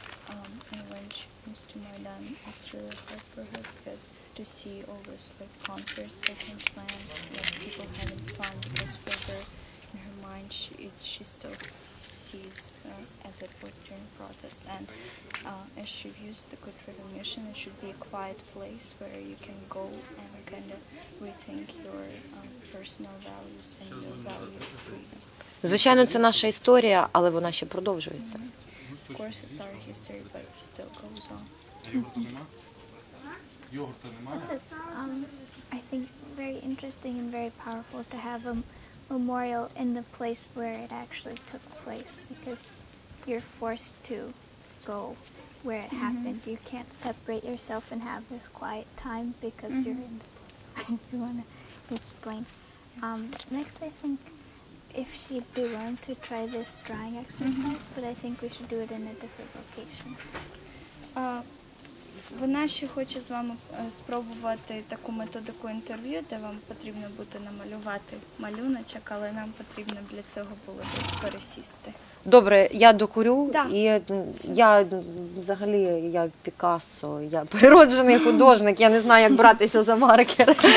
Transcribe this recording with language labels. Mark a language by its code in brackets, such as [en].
[en] And when she comes to Maidan, it's really hard for her because to see all those like concerts taking place, like people having fun, because for her, in her mind, she still sees as it was during protest. And as she views the good recognition, it should be a quiet place where you can go and kind of rethink your personal values and your values of freedom. [uk] Звичайно, це наша історія, але вона ще продовжується. [en] Of course, it's our history, but it still goes on. This is, I think, very interesting and very powerful to have a memorial in the place where it actually took place, because you're forced to go where it mm-hmm. happened. You can't separate yourself and have this quiet time because mm-hmm. you're in the bus. If you want to explain. Next, I think if she'd be willing to try this drawing exercise, mm-hmm. but I think we should do it in a different location. [uk] Вона ще хоче з вами спробувати таку методику інтерв'ю, де вам потрібно буде намалювати малюночок, але нам потрібно для цього було десь пересісти. Добре, я докурю. Да. І я взагалі, я Пікассо, я природжений художник, я не знаю, як братися за маркер.